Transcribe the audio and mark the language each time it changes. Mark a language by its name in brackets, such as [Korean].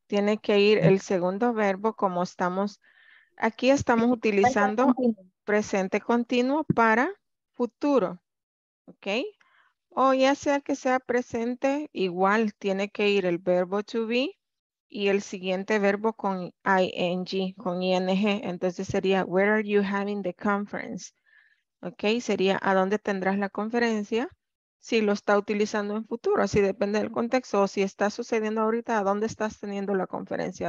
[Spanish] Tiene que ir el segundo verbo como estamos. Aquí estamos utilizando presente continuo para futuro. ¿Ok? O ya sea que sea presente, igual tiene que ir el verbo to be y el siguiente verbo con ing, con ing. Entonces sería, [English] where are you having the conference? [Spanish] ¿Ok? Sería, ¿a dónde tendrás la conferencia? Si lo está utilizando en futuro, así depende del contexto. O si está sucediendo ahorita, ¿a dónde estás teniendo la conferencia?